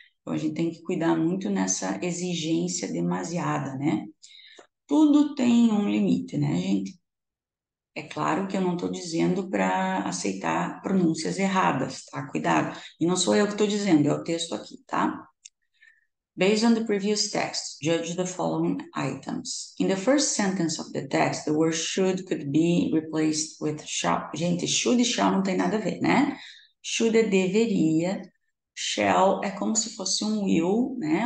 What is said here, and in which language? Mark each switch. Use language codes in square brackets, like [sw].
[pt] Então, a gente tem que cuidar muito nessa exigência demasiada, né? Tudo tem um limite, né, gente? É claro que eu não estou dizendo para aceitar pronúncias erradas, tá? Cuidado. E não sou eu que estou dizendo, é o texto aqui, tá? [en] Based on the previous text, judge the following items. In the first sentence of the text, the word should could be replaced with shall. [pt] Gente, should e shall não tem nada a ver, né? Should é deveria. Shall é como se fosse um will, né?